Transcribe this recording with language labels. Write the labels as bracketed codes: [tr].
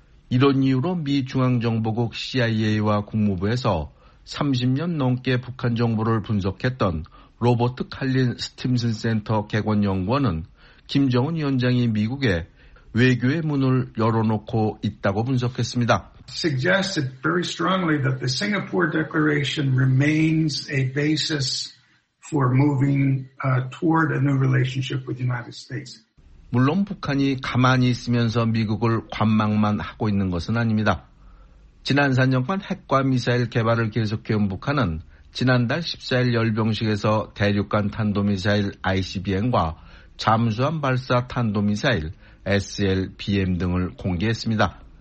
[ko] 이런 이유로 미 중앙정보국 CIA와 국무부에서 30년 넘게 북한 정보를 분석했던 로버트 칼린 스팀슨 센터 개관 연구원은 김정은 위원장이 미국에 외교의 문을 열어놓고 있다고 분석했습니다. [en] Suggested very strongly that the Singapore Declaration remains a basis for moving toward a new relationship with the United States. [ko] 물론 북한이 가만히 있으면서 미국을 관망만 하고 있는 것은 아닙니다. 지난 4년간 핵과 미사일 개발을 계속해온 북한은 지난달 14일 열병식에서 대륙간 탄도미사일 ICBM과 잠수함 발사 탄도미사일 SLBM 등을 공개했습니다.